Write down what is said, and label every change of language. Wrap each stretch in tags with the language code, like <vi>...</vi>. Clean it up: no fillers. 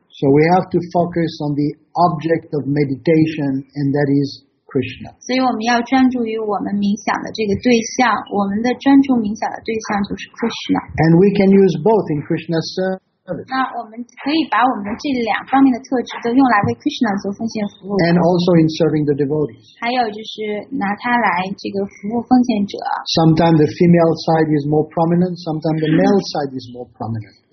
<en>So we have to focus on the object of meditation, and that is Krishna.</en> <zh>所以我们要专注于我们冥想的这个对象，我们的专注冥想的对象就是 Krishna.</zh> <en>And we can use both in Krishna's service.</en> <zh>那我们可以把我们这两方面的特质都用来为 Krishna做奉献服务。</zh> <en>And also in serving the devotees.</en> <zh>还有就是拿它来这个服务奉献者。</zh> <en>Sometimes the female side is more prominent, sometimes the male side is more prominent.</en>